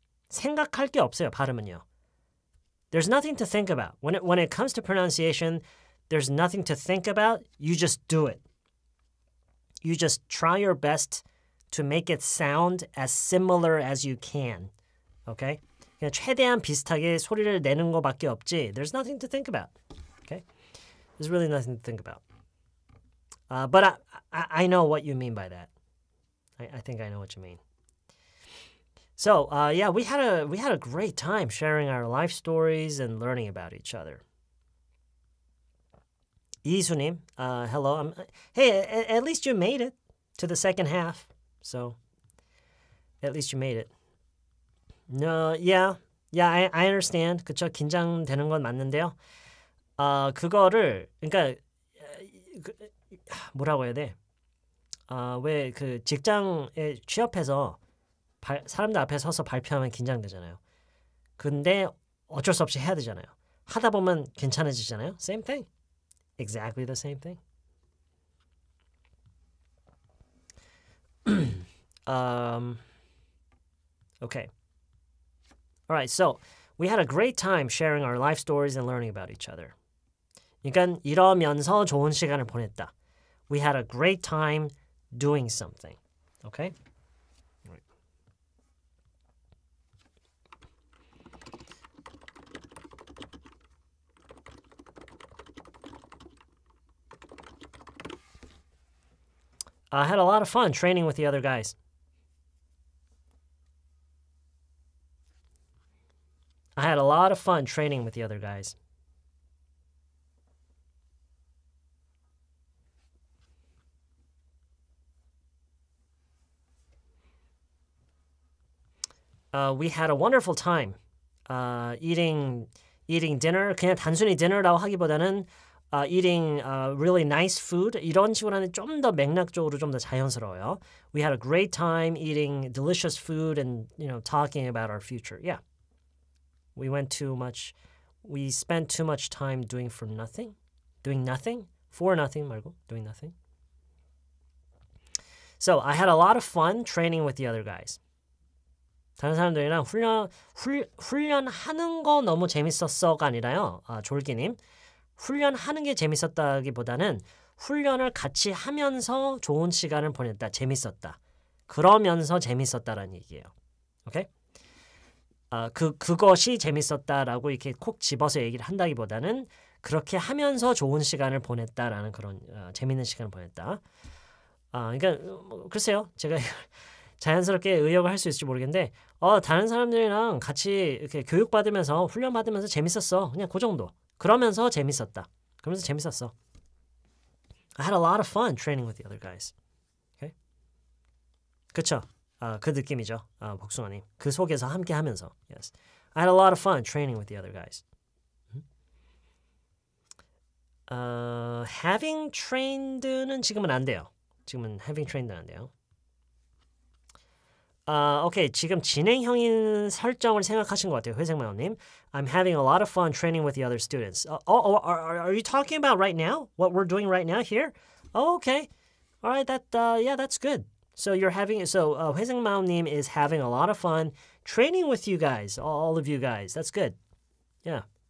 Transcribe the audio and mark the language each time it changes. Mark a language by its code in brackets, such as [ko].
[ko] 생각할 게 없어요, 발음은요. [en] There's nothing to think about. When it comes to pronunciation, there's nothing to think about. You just do it. You just try your best to make it sound as similar as you can Okay? [ko] 그냥 최대한 비슷하게 소리를 내는 것밖에 없지. [en] There's nothing to think about. Okay? There's really nothing to think about. But I know what you mean by that. I think I know what you mean. So, yeah, we had a great time sharing our life stories and learning about each other. 이수님, hello. Hey, at least you made it to the second half. So, at least you made it. No, yeah, I understand. [ko] 그쵸, 긴장되는 건 맞는데요. 그거를, 그러니까, 뭐라고 해야 돼? 왜 그 직장에 취업해서 사람들 앞에 서서 발표하면 긴장되잖아요. 근데 어쩔 수 없이 해야 되잖아요. 하다 보면 괜찮아지잖아요. [en] Same thing. Exactly the same thing. okay. All right, so we had a great time sharing our life stories and learning about each other. [ko] 그러니까 이러면서 좋은 시간을 보냈다. [en] We had a great time doing something. Okay? I had a lot of fun training with the other guys. I had a lot of fun training with the other guys. We had a wonderful time eating dinner. [ko] 그냥 단순히 dinner라고 하기보다는 [en] eating really nice food. [ko] 이런 식으로 하는 좀 더 맥락적으로 좀 더 자연스러워요. [en] We had a great time eating delicious food and, you know, talking about our future. Yeah. We spent too much time doing for nothing. Doing nothing. For nothing, [ko] 말고. [en] Doing nothing. So, I had a lot of fun training with the other guys. [ko] 다른 사람들이랑 훈련하는 거 너무 재밌었어가 아니라요. 졸기님. 훈련하는 게 재밌었다기보다는 훈련을 같이 하면서 좋은 시간을 보냈다. 재밌었다. 그러면서 재밌었다라는 얘기예요. 오케이? 그것이 재밌었다라고 이렇게 콕 집어서 얘기를 한다기보다는 그렇게 하면서 좋은 시간을 보냈다라는 그런 재밌는 시간을 보냈다. 그러니까 글쎄요. 제가 자연스럽게 의역을 할 수 있을지 모르겠는데 다른 사람들이랑 같이 이렇게 교육받으면서 훈련받으면서 재밌었어. 그냥 그 정도. 그러면서 재밌었다. 그러면서 재밌었어. [en] I had a lot of fun training with the other guys. [ko] Okay? 그쵸? 그 느낌이죠. 복숭아님. 그 속에서 함께 하면서. Yes. [en] I had a lot of fun training with the other guys. [ko] Having trained는 지금은 안 돼요. 지금은 having trained는 안 돼요. Okay, 지금 진행형인 설정을 생각하신 것 같아요, 회생마요님. [en] I'm having a lot of fun training with the other students. Are you talking about right now? What we're doing right now here? Oh, okay. All right, that's good. So you're having, so 회생마요님 is having a lot of fun training with you guys, all of you guys. That's good. Yeah.